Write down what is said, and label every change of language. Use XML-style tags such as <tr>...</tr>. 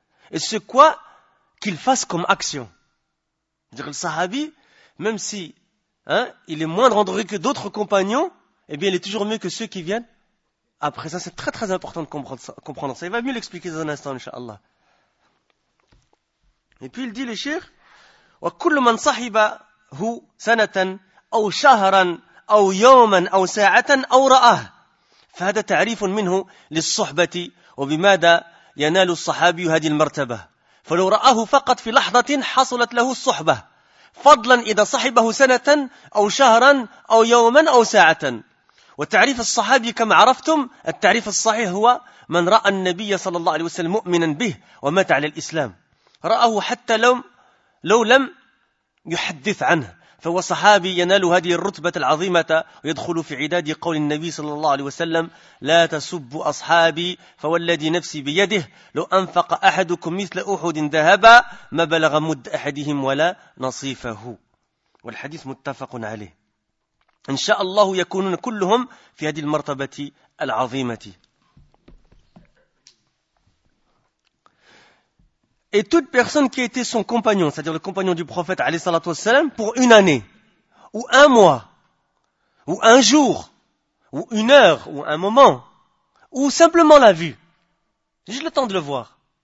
<fr>Et c'est quoi qu'ils fassent comme action. C'est-à-dire le sahabi, même si hein, il est moindre en degré que d'autres compagnons, eh bien il est toujours mieux que ceux qui viennent après ça. C'est très très important de comprendre ça. Il va mieux l'expliquer dans un instant, inshallah. Et puis il dit le shir,</fr> <ar>وكل من صحبه سنة أو شهرا أو يوما أو ساعة أو رآه فهذا تعريف منه للصحبة وبماذا ينال الصحابي هذه المرتبة فلو رآه فقط في لحظة حصلت له الصحبة فضلا إذا صحبه سنة أو شهرا أو يوما أو ساعة وتعريف الصحابي كما عرفتم التعريف الصحيح هو من رأى النبي صلى الله عليه وسلم مؤمنا به ومات على الإسلام رأه حتى لو لم يحدث عنه فهو صحابي ينال هذه الرتبة العظيمة ويدخل في عداد قول النبي صلى الله عليه وسلم لا تسبوا أصحابي فوالذي نفسي بيده لو أنفق أحدكم مثل أحد ذهبا ما بلغ مد أحدهم ولا نصيفه والحديث متفق عليه إن شاء الله يكونون كلهم في هذه المرتبة العظيمة.</ar> <fr>Et toute personne qui a été son compagnon, c'est-à-dire le compagnon du prophète, alayhi salatu wassalam, pour une année, ou un mois, ou un jour, ou une heure, ou un moment, ou simplement la vue, juste le temps de le voir.</fr>